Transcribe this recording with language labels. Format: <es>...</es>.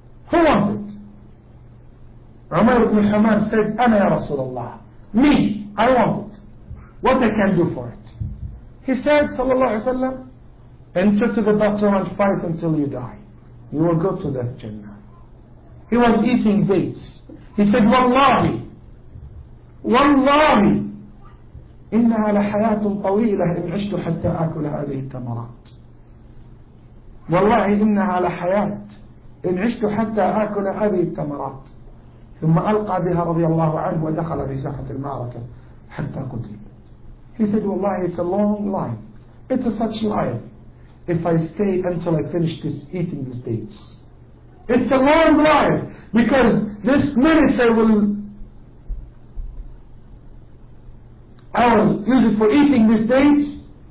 <en>Who wants it? Umar ibn Hammam said,</en> <ar>ana ya Rasulullah.</ar> <en>Me, I want it. What I can do for it? He said, sallallahu alayhi wa sallam, enter to the bottom and fight until you die. You will go to that Jannah. He was eating dates. He said,</en> <ar>wallahi, wallahi, إِنَّهَا لَحَيَاةٌ طَوِيلَةٌ إِنْ عِشْتُ حَتَّى أَكُلَ هَذِهِ التَّمَرَاتِ. والله إِنَّهَا لَحَيَاةٌ إِنْ عِشْتُ حَتَّى أَكُلَ هَذِهِ التَّمَرَاتِ. ثم ألقى بها رضي الله عنه ودخل في ساحة المعركة حتى قتل.</ar> <en>He said, والله it's a long life. It's a such life. If I stay until I finish this eating these dates. It's a long life because this minute I will use it for eating these dates.</en>